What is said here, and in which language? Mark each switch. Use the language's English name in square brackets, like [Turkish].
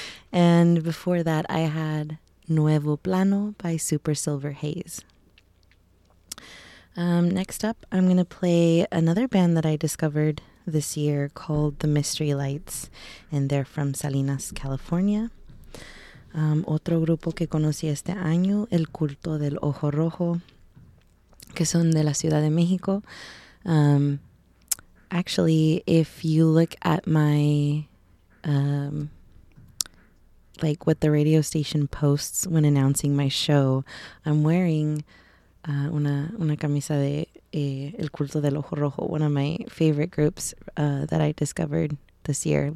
[English] And before that, I had Nuevo Plano by Super Silver Haze. Next up, I'm going to play another band that I discovered this year called The Mystery Lights, and they're from Salinas, California. [Spanish] Otro grupo que conocí este año, El Culto del Ojo Rojo, que son de la Ciudad de México. [English] Actually, if you look at my, like what the radio station posts when announcing my show, I'm wearing [Spanish] una camisa de El Culto del Ojo Rojo, [English] one of my favorite groups that I discovered this year.